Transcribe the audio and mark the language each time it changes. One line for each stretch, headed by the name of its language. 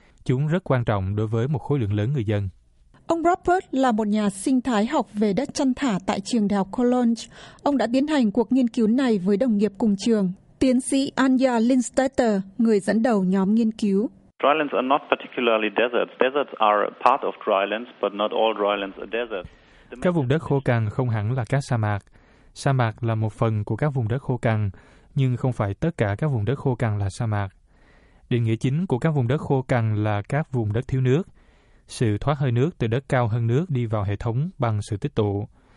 Vietnamese: Chúng rất quan trọng đối với một khối lượng lớn người dân. Ông Robert là một nhà sinh thái học về đất chăn thả tại trường đại học Cologne. Ông đã tiến hành cuộc nghiên cứu này với đồng nghiệp cùng trường, tiến sĩ Anja Lindstetter, người dẫn đầu nhóm nghiên cứu.
English: Drylands are not particularly deserts. Deserts are part of drylands, but not all drylands are deserts.
Vietnamese: Các vùng đất khô cằn không hẳn là các sa mạc. Sa mạc là một phần của các vùng đất khô cằn, nhưng không phải tất cả các vùng đất khô cằn là sa mạc. Định nghĩa chính của các vùng đất khô cằn là các vùng đất thiếu nước. Sự thoát hơi nước từ đất cao hơn nước đi vào hệ thống bằng sự tích tụ.